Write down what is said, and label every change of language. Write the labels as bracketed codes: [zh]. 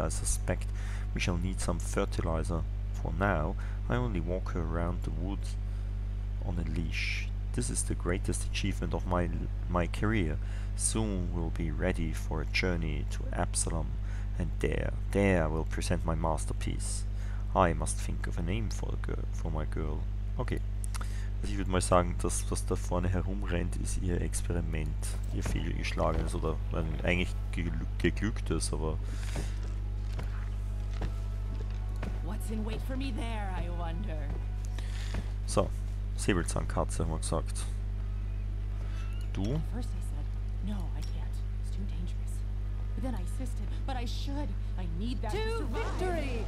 [en] I suspect we shall need some fertilizer. For now, I only walk her around the wood on a leash. This is the greatest achievement of my career. Soon we'll be ready for a journey to Absalom, and there we'll present my masterpiece. I must think of a name for my girl. Okay. [de] Also ich würde mal sagen, das, was da vorne herumrennt, ist ihr Experiment, ihr fehlgeschlagenes oder eigentlich geglücktes, aber. [en] What's in wait for me there, I wonder? [de] So, Säbelzahnkatze haben wir gesagt. Du? [en] First I said, no, I can't. It's too dangerous. But then I insisted, but I should. I need that to victory!